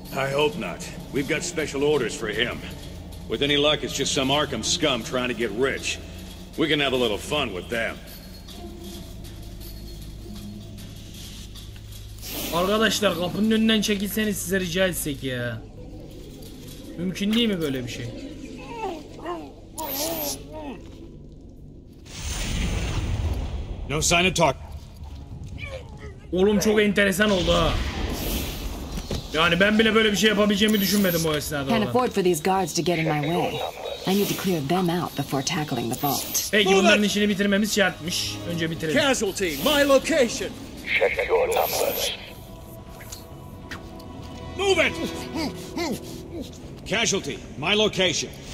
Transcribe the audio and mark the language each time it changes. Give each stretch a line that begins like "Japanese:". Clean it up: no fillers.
English: I hope not. We've got special orders for him. With any luck, it's just some Arkham scum trying to get rich. We can have a little fun with them.
Turkish: Arkadaşlar, kapının önünden çekilseniz size rica etsek ya. Mümkün değil mi böyle bir şey?
English: No sign of talk.
Turkish: Oğlum çok enteresan oldu ha. Yani ben bile böyle bir şey yapabileceğimi düşünmedim o esnada.
English: Can't afford for these guards to get in my way. I need to clear them out before tackling the vault.
Turkish: Peki, bunların işini bitirmemiz şartmış. Önce bitirelim.
English: Casualty, my location. Check your numbers. Move it. Casualty, my location.